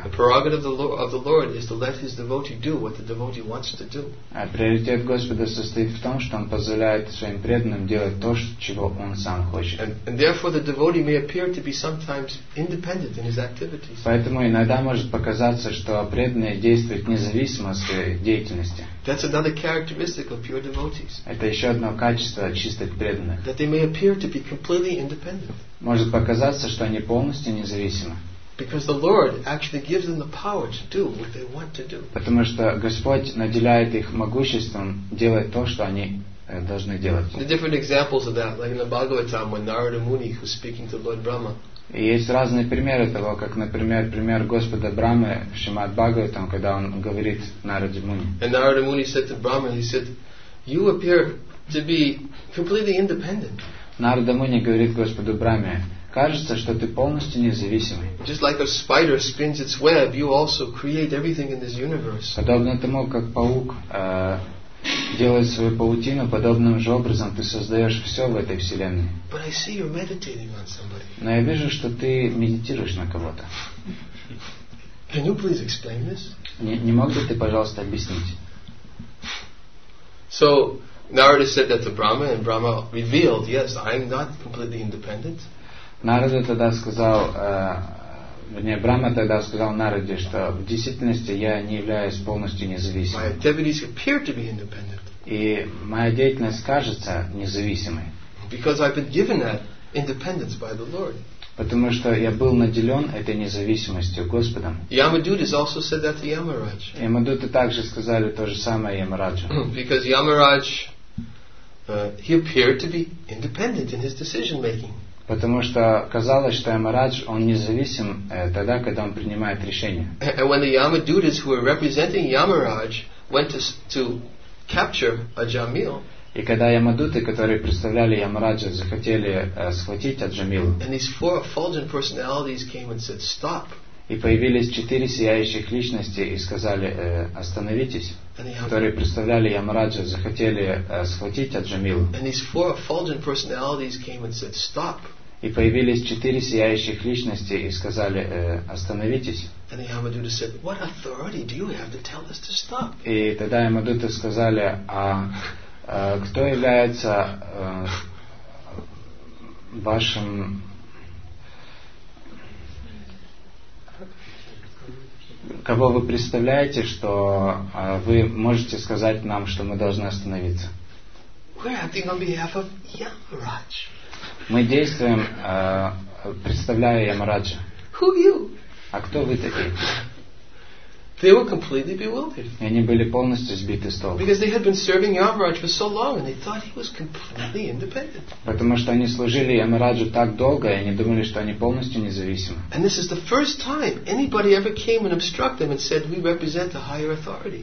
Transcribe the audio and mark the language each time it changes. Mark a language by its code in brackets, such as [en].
[en] The prerogative of the Lord is to let his devotee do what the devotee wants to do. [ru] Приоритет Господа состоит в том, что он позволяет своим преданным делать то, чего он сам хочет. [en] And therefore the devotee may appear to be sometimes independent in his activities. [ru] Поэтому иногда может показаться, что преданный действует независимо от своей деятельности. [en] That's another characteristic of pure devotees. [ru] Это еще одно качество чистых преданных. [en] That they may appear to be completely independent. [ru] Может показаться, что они полностью независимы. [en] Because the Lord actually gives them the power to do what they want to do. [ru] Потому что Господь наделяет их могуществом делать то, что они должны делать. [en] The different examples of that, like in the Bhagavatam, when Narada Muni was speaking to Lord Brahma. [ru] И есть разные примеры того, как, например, пример Господа Брамы в Шримад Бхагаватам, когда он говорит Нараде Муни. [en] And Narada Muni said to Brahma, he said, "You appear to be completely independent." [ru] Нарада Муни говорит Господу Браме, кажется, что ты полностью независимый. [en] Just like a spider spins its web, you also create everything in this universe. [ru] Подобно тому, как паук делает свою паутину, подобным же образом ты создаешь все в этой вселенной. [en] But I see you're meditating on somebody. [ru] Но я вижу, что ты медитируешь на кого-то. [en] Can you please explain this? [ru] Не мог бы ты, пожалуйста, объяснить? [en] So, Narada said that to Brahma, and Brahma revealed, yes, I'm not completely independent. [ru] Narada тогда сказал, не, Брама тогда сказал Нараде, что в действительности я не являюсь полностью независимым. [en] My activities appear to be independent. [ru] И моя деятельность кажется независимой. [en] Because I've been given that independence by the Lord. [ru] Потому что я был наделен этой независимостью Господом. [en] Yamadutas also said that to Yamaraj. [ru] Yamaduta также сказали то же самое Ямараджу. [en] Because Yamaraj, he appeared to be independent in his decision making. [ru] Потому что казалось, что Ямарадж, он независим тогда, когда он принимает решения. [en] And when the Yamadutas who were representing Yamaraj went to capture Ajamil. [ru] И когда Ямадуты, которые представляли Ямараджа, захотели схватить Аджамилу, [en] and these four effulgent personalities came and said, "Stop." [ru] И появились четыре сияющих личности и сказали, остановитесь, которые представляли Ямараджа, захотели схватить Аджамилу. [en] And these four effulgent personalities came and said, "Stop." [ru] И появились четыре сияющих личности и сказали, остановитесь. [en] And the Yamaduta said, "What authority do you have to tell us to stop?" [ru] И тогда Ямадуты сказали, а кто является вашим кого вы представляете, что вы можете сказать нам, что мы должны остановиться? [en] We're acting on behalf of Yamaraj. [ru] Мы действуем, представляя Ямараджа. [en] Who are you? [ru] А кто вы такие? [en] They were completely bewildered. [ru] И они были полностью сбиты с толку. [en] Because they had been serving Yamaraj for so long, and they thought he was completely independent. [ru] Потому что они служили Ямараджу так долго, и они думали, что они полностью независимы. [en] And this is the first time anybody ever came and obstructed them and said, "We represent a higher authority."